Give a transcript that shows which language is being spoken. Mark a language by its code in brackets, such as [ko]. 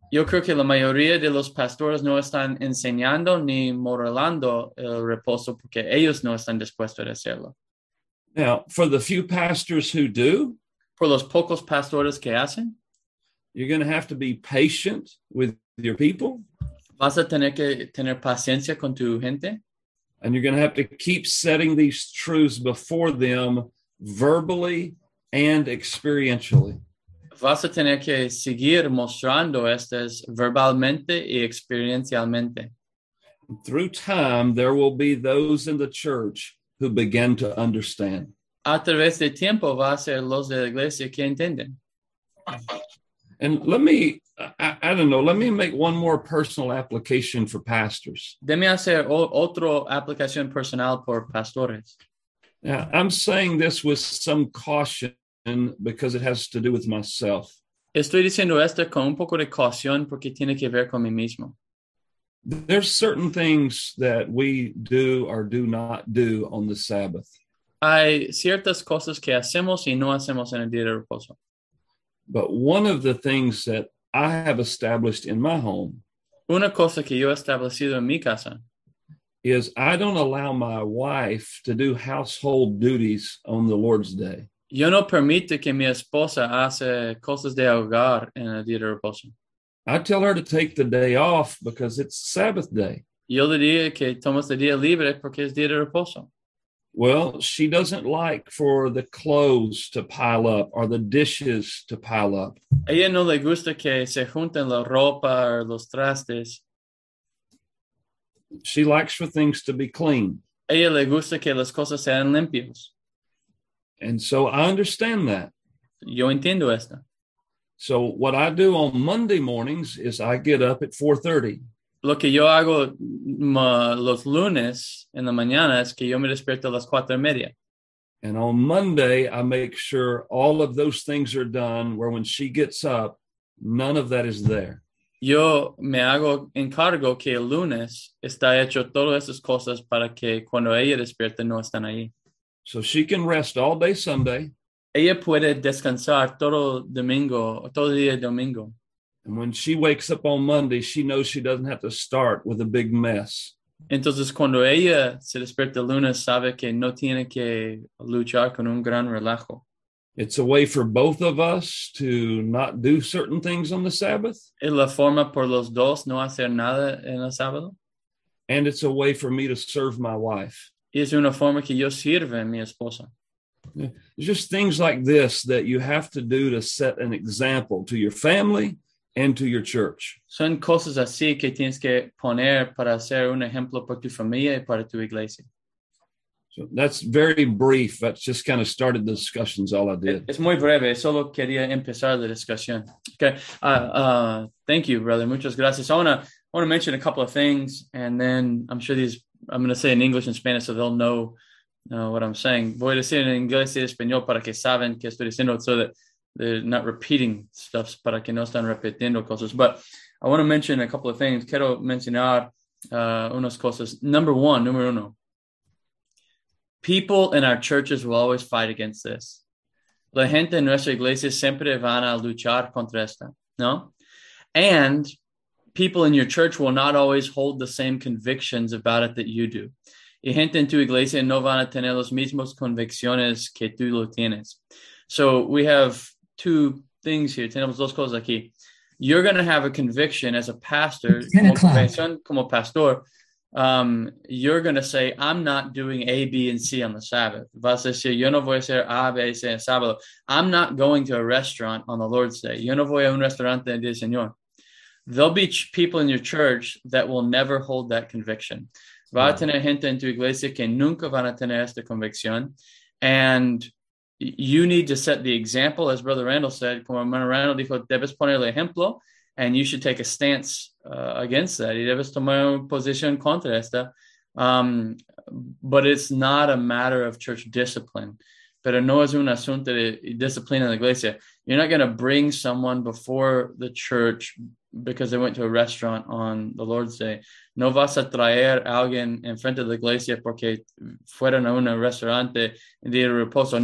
[es] Yo creo que la mayoría de los pastores no están enseñando ni modelando el reposo porque ellos no están dispuestos a hacerlo. [en] Now, for the few pastors who do, [es] por los pocos pastores que hacen, [en] you're going to have to be patient with your people. [es] Vas a tener que tener paciencia con tu gente. [en] And you're going to have to keep setting these truths before them verbally and experientially. [es] Vas a tener que seguir mostrando estas verbalmente y experiencialmente. [en] Through time, there will be those in the church who begin to understand. [es] A través del tiempo, va a ser los de la iglesia que entienden. [en] And let me, I don't know, let me make one more personal application for pastors. [es] Deme hacer otra aplicación personal por pastores. [en] Now, I'm saying this with some caution, because it has to do with myself. [es] Estoy diciendo esto con un poco de caución porque tiene que ver con mí mismo. [en] There's certain things that we do or do not do on the Sabbath. [es] Hay ciertas cosas que hacemos y no hacemos en el día de reposo. [en] But one of the things that I have established in my home, [es] una cosa que yo he establecido en mi casa, [en] is I don't allow my wife to do household duties on the Lord's Day. [es] Yo no permito que mi esposa hace cosas de hogar en el día de reposo. [en] I tell her to take the day off because it's Sabbath day. [es] Yo le digo que tomes el día libre porque es día de reposo. [en] Well, she doesn't like for the clothes to pile up or the dishes to pile up. [es] Ella no le gusta que se junten la ropa o los trastes. [en] She likes for things to be clean. [es] Ella le gusta que las cosas sean limpias. [en] And so I understand that. [es] Yo entiendo esto. [en] So what I do on Monday mornings is I get up at 4:30. [es] Lo que yo hago los lunes en la mañana es que yo me despierto a las 4:30. [en] And on Monday, I make sure all of those things are done where when she gets up, none of that is there. [es] Yo me hago encargo que el lunes está hecho todas esas cosas para que cuando ella despierte no están ahí. [en] So she can rest all day Sunday. [es] Ella puede descansar todo domingo, todo día domingo. [en] And when she wakes up on Monday, she knows she doesn't have to start with a big mess. [es] Entonces cuando ella se despierta lunes, sabe que no tiene que luchar con un gran relajo. [en] It's a way for both of us to not do certain things on the Sabbath. [es] Es la forma por los dos no hacer nada en el sábado. [en] And it's a way for me to serve my wife. [es] Es una forma que yo sirvo a mi esposa. [en] Just things like this that you have to do to set an example to your family and to your church. [es] Son cosas así que tienes que poner para ser un ejemplo para tu familia y para tu iglesia. [en] So that's very brief. That's just kind of started the discussions, all I did. [es] Es muy breve. Solo quería empezar la discusión. [en] Okay. Thank you, brother. [es] Muchas gracias. [en] I want to mention a couple of things, and then I'm sure I'm going to say in English and Spanish so they'll know what I'm saying. [es] Voy a decir en inglés y español para que saben qué estoy diciendo [en] so that they're not repeating stuff, [es] para que no están repitiendo cosas. [en] But I want to mention a couple of things. [es] Quiero mencionar unas cosas. Número uno. [en] People in our churches will always fight against this. [es] La gente en nuestra iglesia siempre van a luchar contra esta, ¿no? [en] And people in your church will not always hold the same convictions about it that you do. [es] Y gente en tu iglesia no van a tener los mismos convicciones que tú lo tienes. [en] So we have two things here. [es] Tenemos dos cosas aquí. [en] You're going to have a conviction as a pastor. [es] Como pastor. [en] You're going to say, I'm not doing A, B, and C on the Sabbath. [es] Vas a decir, yo no voy a hacer A, B, C en el sábado. [en] I'm not going to a restaurant on the Lord's Day. [es] Yo no voy a un restaurante el día Señor. [en] There'll be people in your church that will never hold that conviction. [es] Va a tener gente en tu iglesia que nunca van a tener esta convicción. [en] And you need to set the example, as Brother Randall said, [es] como hermano Randall dijo, debes poner el ejemplo, [en] and you should take a stance against that. [es] Y debes tomar una posición contra esta. [en] But it's not a matter of church discipline. [es] Pero no es un asunto de disciplina en la iglesia. [en] You're not going to bring someone before the church because they went to a restaurant on the Lord's Day. [es] No vas a traer a alguien en frente de la iglesia porque fueron a un restaurante en día de reposo.